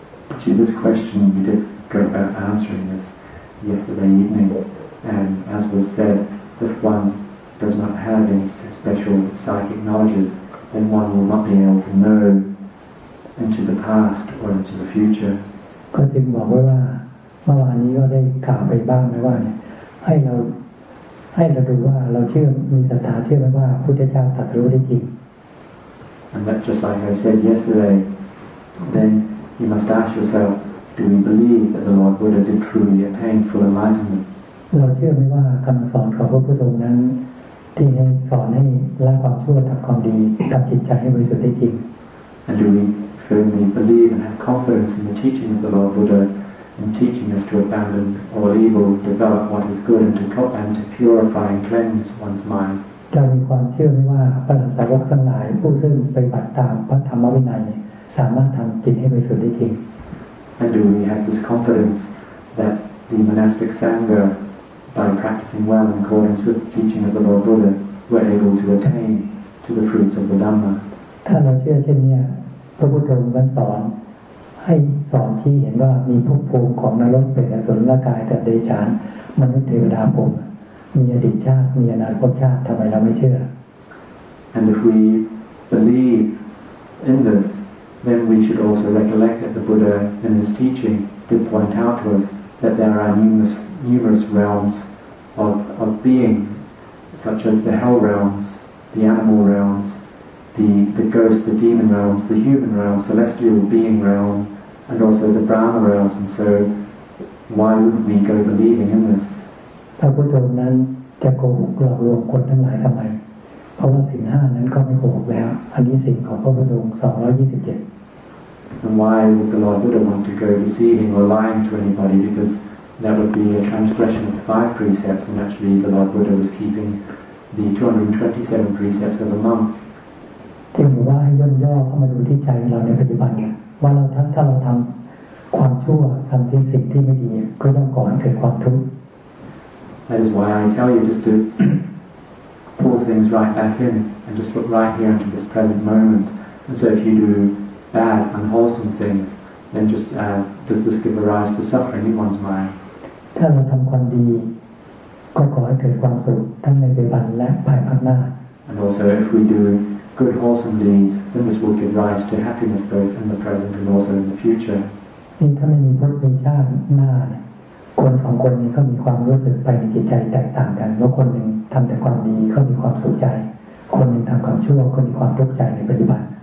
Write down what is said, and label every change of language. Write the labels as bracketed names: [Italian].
[English] Actually, this question we did go about answering this yesterday evening and as was said if one does not have any special psychic knowledges then one will not be able to knowInto the past or into the future. [Thai] ก็จึงบอกไว้ว่าเมื่อวานนี้ก็ได้กล่าวไปบ้างไหมว่าเนี่ยให้เราดูว่าเราเชื่อมีศรัทธาเชื่อไหมว่าพุทธเจ้าตรัสรู้ได้จริง [English] And that just like I said yesterday, then you must ask yourself, do we believe that the Lord Buddha did truly attain full enlightenment? [Thai] เราเชื่อไหมว่าคำสอนของพระพุทธองค์นั้นที่ให้สอนให้ละความชั่วทำความดีทำจิตใจให้บริสุทธิ์ได้จริง [English] And do weFirmly believe and have confidence in the teaching of the Lord Buddha, and teaching us to abandon all evil, develop what is good, and to purify and cleanse one's mind. [Thai] เรามีความเชื่อไหมว่าพระสาวกทั้งหลายผู้ซึ่งไปปฏิบัติตามพระธรรมวินัยสามารถทำจิตให้บริสุทธิ์ได้จริง [English] And do we have this confidence that the monastic sangha, by practicing well in accordance with the teaching of the Lord Buddha, were able to attain to the fruits of the Dhamma? [Thai] ถ้าเราเชื่อเช่นนี้พระพุทธองค์ท่านสอนให้สอนที่เห็นว่ามีภพภูมิของนรกเปรตอสุรกายแต่เดชานมนุษย์เทวดาภูมิมีอดีตชาติมีอนาคตชาติทำไมเราไม่เชื่อ [English] And if we believe in this then we should also recollect that the Buddha in his teaching did point out to us that there are numerous realms of being such as the hell realms the animal realmsthe ghost, the demon realms, the human realm, celestial being realm, and also the Brahma realms. And so, why would we go believing in this? [Thai] พระพุทธองค์นั้น จะโกหกหลอกลวงคนทั้งหลายทำไมเพราะว่าศีล5นั้นก็ไม่โกหกแล้วอันนี้ศีลของพระพุทธองค์227 [English] And why would the Lord Buddha want to go deceiving or lying to anybody? Because that would be a transgression of the 5 precepts, and actually the Lord Buddha was keeping the 227 precepts of a monk. [Thai] จริงหรือว่าให้ย่นย่อเข้ามาดูที่ใจเราในปัจจุบันเนี่ยว่าเราถ้าเราทำความชั่วทำสิ่งที่ไม่ดีก็ต้องก่อให้เกิดความทุกข์ [English] That is why I tell you just to pull things right back in and just look right here into this present moment. And so if you do bad, unwholesome things, then just does this give a rise to suffering in one's mind? [Thai] ถ้าเราทำความดีก็ขอให้เกิดความสุขทั้งในปัจจุบันและภายภาคหน้า [English] And also if we do good, wholesome deeds, then this will give rise to happiness both in the present and also in the future. [Thai] นี่ถ้าไม่มีพระมีชาติหน้าคนสองคนนี้ก็มีความรู้สึกไปในจิตใจแตกต่างกันว่าคนหนึ่งทำแต่ความดีก็มีความสุขใจคนหนึ่งทำความชั่วก็มีความทุกข์ใจในปัจจุบัน